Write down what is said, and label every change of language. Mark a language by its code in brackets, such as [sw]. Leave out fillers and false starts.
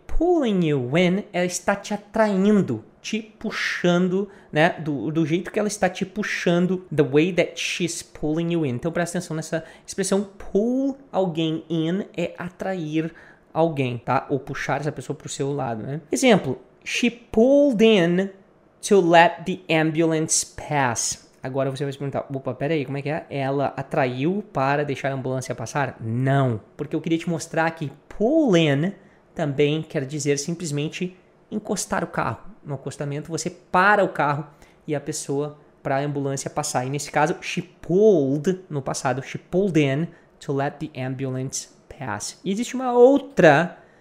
[en] Pulling you in, [pt] ela está te atraindo, te puxando, né? Do jeito que ela está te puxando. [en] The way that she's pulling you in. [pt] Então, presta atenção nessa expressão. Pull alguém in é atrair alguém, tá? Ou puxar essa pessoa pro seu lado, né? Exemplo. [en] She pulled in to let the ambulance pass. [pt] Agora você vai se perguntar, opa, peraí, como é que é? Ela atraiu para deixar a ambulância passar? Não, porque eu queria te mostrar que pull in também quer dizer simplesmente encostar o carro. No acostamento você para o carro e a pessoa para a ambulância passar. E nesse caso, [en] she pulled, no passado, she pulled in to let the ambulance pass. [pt] E existe uma outra